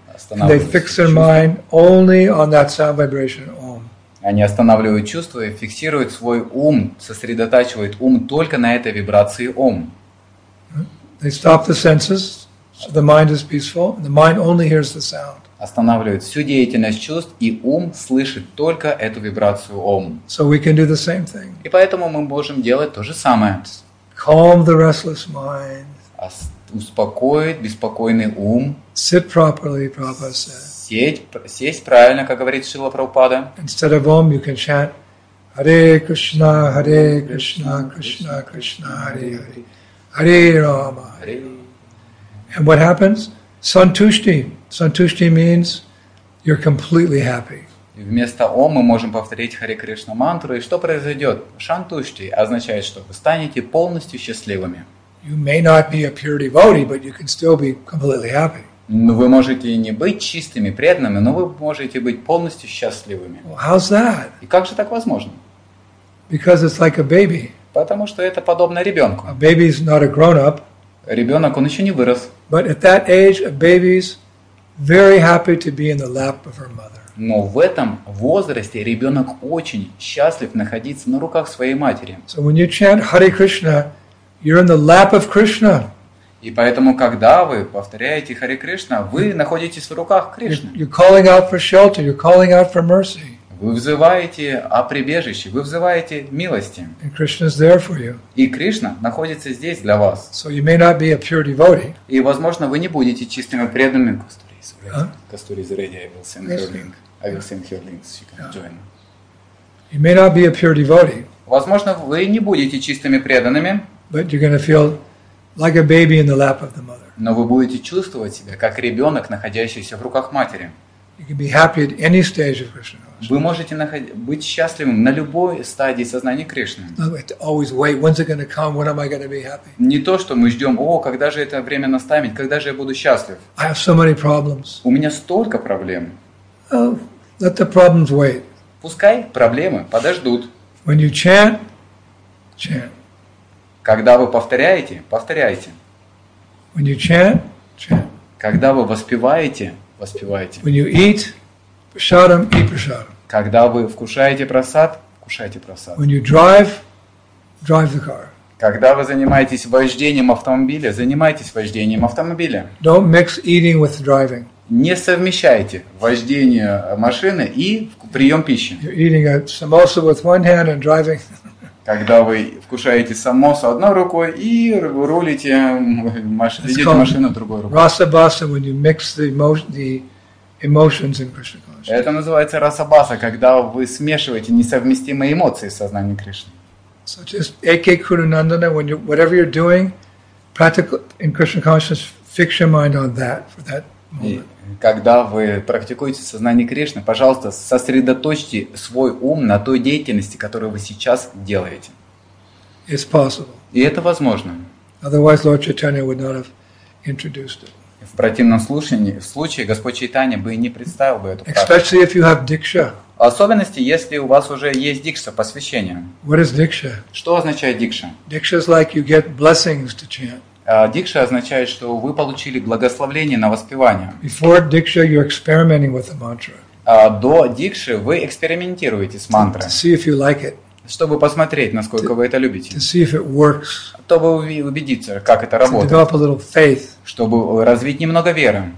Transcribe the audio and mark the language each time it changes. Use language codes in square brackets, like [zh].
[en] And they fix their mind only on that sound vibration. [ru] Они останавливают чувства и фиксируют свой ум, сосредотачивают ум только на этой вибрации ОМ. [en] They stop the senses, so the mind is peaceful, and the mind only hears the sound. [ru] Останавливают всю деятельность чувств, и ум слышит только эту вибрацию ОМ. [en] So we can do the same thing. [ru] И поэтому мы можем делать то же самое. [en] Calm the restless mind. [ru] Успокоить беспокойный ум. [en] Sit properly, Prabhupada said. [ru] Сесть правильно, как говорит Шрила Прабхупада. [en] Instead of om, you can chant Hare Krishna, Hare Krishna, Krishna Krishna, Hare Hare, Hare Rama. Hare. And what happens? Santushti. Santushti means you're completely happy. [ru] Вместо om мы можем повторить Hare Krishna мантру, и что произойдет? Santushti означает, что вы станете полностью счастливыми. [en] You may not be a pure devotee, but you can still be completely happy. [ru] Ну, вы можете не быть чистыми, преданными, но вы можете быть полностью счастливыми. [en] Well, how's that? [ru] И как же так возможно? [en] Because it's like a baby. [ru] Потому что это подобно ребенку. [en] A baby is not a grown-up. [ru] Ребенок, он еще не вырос. [en] But at that age, a baby's very happy to be in the lap of her mother. [ru] Но в этом возрасте ребенок очень счастлив находиться на руках своей матери. [en] So when you chant Hare Krishna, you're in the lap of Krishna. [ru] И поэтому, когда вы повторяете Харе Кришна, вы находитесь в руках Кришны. [en] You're calling out for shelter, you're calling out for mercy. [ru] Вы взываете о прибежище, вы взываете милости. [en] And Krishna's there for you. [ru] И Кришна находится здесь для вас. [en] So you may not be a pure devotee. [ru] И, возможно, вы не будете чистыми преданными. Кастури из Реди. Кастури из Реди, [en] I will send her link. I will send her links. You can join. You may not be a pure devotee. [ru] Возможно, вы не будете чистыми преданными. [en] But you're going to feel like a baby in the lap of the mother. [ru] Но вы будете чувствовать себя как ребенок, находящийся в руках матери. [en] You can be happy at any stage of Krishna consciousness. [ru] Вы можете быть счастливым на любой стадии сознания Кришны. [en] Always wait. When's it going to come? When am I going to be happy? [ru] Не то, что мы ждем. О, когда же это время настанет? Когда же я буду счастлив? [en] I have so many problems. [ru] У меня столько проблем. [en] Oh, let the problems wait. [ru] Пускай проблемы подождут. [en] When you chant, chant. [ru] Когда вы повторяете, повторяйте. [en] When you chant, chant. [ru] Когда вы воспеваете, воспевайте. [en] When you eat, prasadam, eat prasadam. [ru] Когда вы вкушаете просад, кушайте просад. [en] When you drive, drive the car. [ru] Когда вы занимаетесь вождением автомобиля, занимайтесь вождением автомобиля. [en] Don't mix eating with driving. [ru] Не совмещайте вождение машины и прием пищи. [en] You're eating a samosa with one hand and driving. [ru] Когда вы вкушаете самосу одной рукой и рулите, ведете машину другой рукой. [en] Rasa basa, when you mix the emotions in Krishna consciousness. [ru] Это называется расабаса, когда вы смешиваете несовместимые эмоции в сознании Кришны. [en] So just ek kuru nandana, when you, whatever you're doing, practical in Krishna consciousness, fix your mind on that for that moment. [ru] И когда вы практикуете сознание Кришны, пожалуйста, сосредоточьте свой ум на той деятельности, которую вы сейчас делаете. [en] It's possible. [ru] И это возможно. [en] Otherwise, Lord Chaitanya would not have introduced it. [ru] В противном случае Господь Чайтанья бы и не представил бы эту практику. [en] Especially if you have дикша. [ru] В особенности, если у вас уже есть дикша, посвящение. [en] What is дикша? [ru] Что означает дикша? [en] Дикша is like you get blessings to chant. [ru] Дикша означает, что вы получили благословение на воспевание. [en] Before дикша, you're experimenting with the mantra. [ru] До дикши вы экспериментируете с мантрой. [en] To see if you like it. [ru] Чтобы посмотреть, насколько вы это любите. [en] To see if it works. [ru] Чтобы убедиться, как это работает. [en] To develop a little faith. [ru] Чтобы развить немного веры.